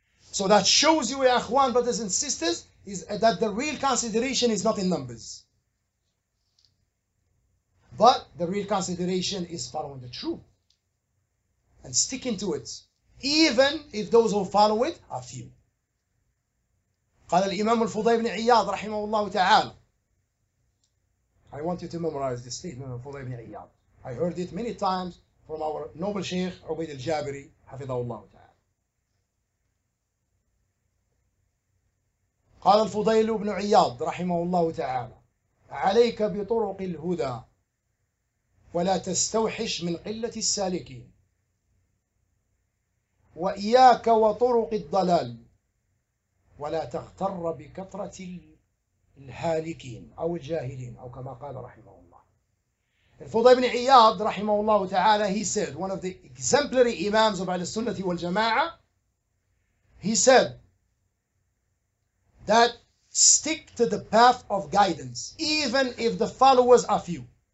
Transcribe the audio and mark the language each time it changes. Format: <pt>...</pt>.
<en>So that shows you, Akhwan, brothers and sisters, is that the real consideration is not in numbers. But the real consideration is following the truth and sticking to it, even if those who follow it are few.</en> <ar>قال الإمام الفضيل بن عياض رحمه الله تعالى.</ar> <en>I want you to memorize this statement of الفضيل بن عياض. I heard it many times from our noble Sheikh عبيد الجابري</en> <ar>حفظه الله تعالى. قال الفضيل بن عياض رحمه الله تعالى: عليك بطرق الهدى ولا تستوحش من قلة السالكين. وإياك وطرق الضلال ولا تغتر بكثرة الهالكين أو الجاهلين أو كما قال رحمه الله.</ar> <en>الفضيل بن عياض</en> <ar>رحمه الله تعالى,</ar> <en>he said, one of the exemplary imams of Al-Sunnah wal Jama'ah, he said that stick to the path of guidance even if the followers are few.</en>